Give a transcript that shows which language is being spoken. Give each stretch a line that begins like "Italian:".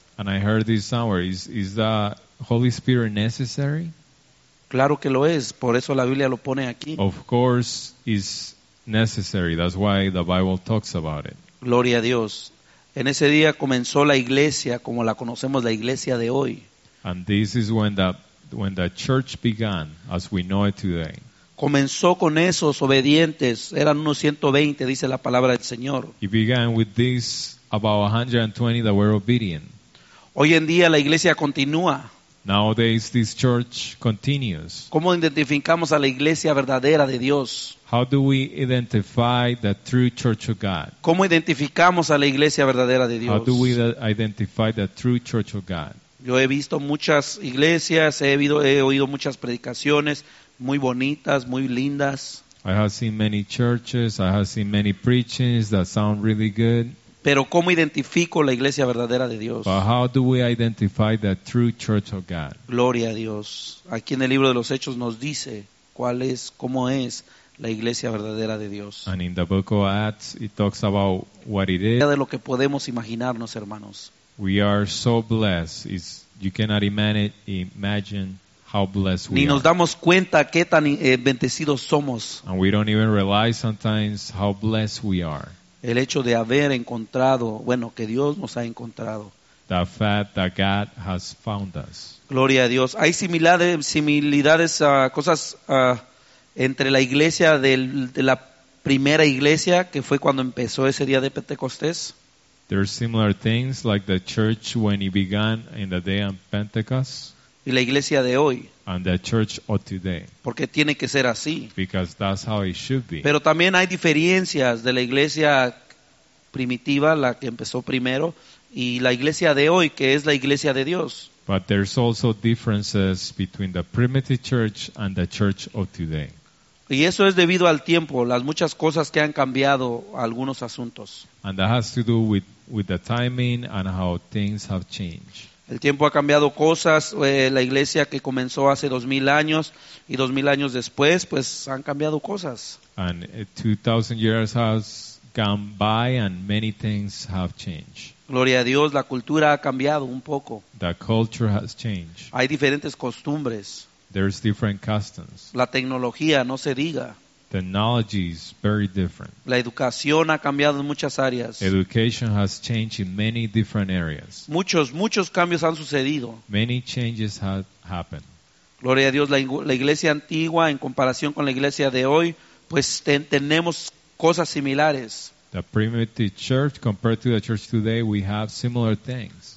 English: And I heard this somewhere. Is the Holy Spirit necessary?
Spanish: Claro que lo es. Por eso la Biblia lo pone aquí.
English: Of course it's necessary. That's why the Bible talks about it.
Spanish: Gloria a Dios. En ese día comenzó la iglesia como la conocemos, la iglesia de hoy.
English: And this is when the church began, as we know it today.
Spanish: Comenzó con esos obedientes, eran unos 120, dice la palabra del Señor.
English: It began with these about 120 that were obedient.
Spanish: Hoy en día la iglesia continúa.
English: Nowadays this church continues.
Spanish: ¿Cómo identificamos a la iglesia verdadera de Dios?
English: How do we identify the true church of God?
Spanish: ¿Cómo identificamos a la iglesia verdadera de Dios?
English: How do we identify the true church of God?
Spanish: Yo he visto muchas iglesias, he oído muchas predicaciones muy bonitas, muy lindas.
English: I have seen many churches, I have seen many preachings that sound really good.
Spanish: Pero ¿cómo identifico la iglesia verdadera de Dios?
English: But how do we identify the true church of God?
Spanish: Gloria a Dios. Aquí en el libro de los Hechos nos dice cuál es, cómo es la iglesia verdadera de Dios.
English: And in the book of Acts, it talks about what it is.
Spanish: De lo que podemos imaginarnos, hermanos.
English: We are so blessed. You cannot imagine how blessed we are.
Spanish: Ni nos damos cuenta qué tan bendecidos somos.
English: And we don't even realize sometimes how blessed we are.
Spanish: el hecho de haber encontrado, bueno, que Dios nos ha encontrado.
English: The fact that God has found us.
Spanish: Gloria a Dios. Hay similitudes, cosas entre la iglesia de la primera iglesia, que fue cuando empezó ese día de Pentecostés.
English: There are similar things like the church when it began in the day of Pentecost.
Spanish: Y la iglesia de hoy.
English: And the church of today.
Spanish: Porque tiene que ser así.
English: Because that's how it should be.
Spanish: Pero también hay diferencias de la iglesia primitiva, la que empezó primero, y la iglesia de hoy, que es la iglesia de Dios.
English: But there's also differences between the primitive church and the church of today.
Spanish: Y eso es debido al tiempo, las muchas cosas que han cambiado algunos asuntos.
English: And that has to do with the timing and how things have changed.
Spanish: El tiempo ha cambiado cosas, la iglesia que comenzó hace 2000 años y 2000 años después, pues han cambiado cosas.
English: And 2000 years has gone by and many things have changed.
Spanish: Gloria a Dios, la cultura ha cambiado un poco.
English: The culture has changed.
Spanish: Hay diferentes costumbres.
English: There's different customs.
Spanish: La tecnología, no se diga.
English: Technology is very different.
Spanish: La educación ha cambiado en muchas áreas.
English: Education has changed in many different areas.
Spanish: Muchos cambios han sucedido.
English: Many changes have happened.
Spanish: Gloria a Dios, la iglesia antigua en comparación con la iglesia de hoy, pues tenemos cosas similares.
English: The primitive church compared to the church today, we have similar things.